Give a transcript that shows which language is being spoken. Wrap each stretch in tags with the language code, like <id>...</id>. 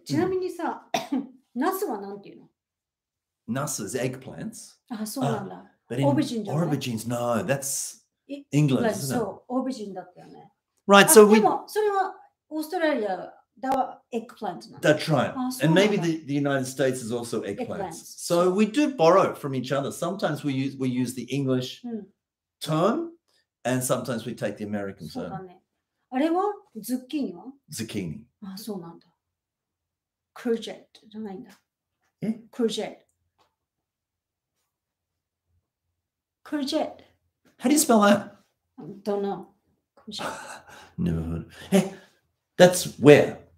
<ja>ちなみにさ、ナスはなんていうの？</ja> <en>ナス is eggplants.</en> <ja>あ、そうなんだ。</ja> <en>But in aubergines, no, that's England, isn't it?</en> <ja>そう、aubergine だったよね。</ja> <en>Right, so</en> <ja>でもそれはオーストラリアだわ、eggplant な</ja> <en>の。That's right. And maybe the United States is also eggplants. So we do borrow from each other. Sometimes we use the English term, and sometimes we take the American term.</en> <ja>そうだね。あれはズッキーニは？ズッキーニ。あ、そうなんだ。クルジェットじゃないんだ。え？クルジェット。クルジェット。</ja> <en>How do you spell that? Don't know. Never heard. Hey, that's where?</en>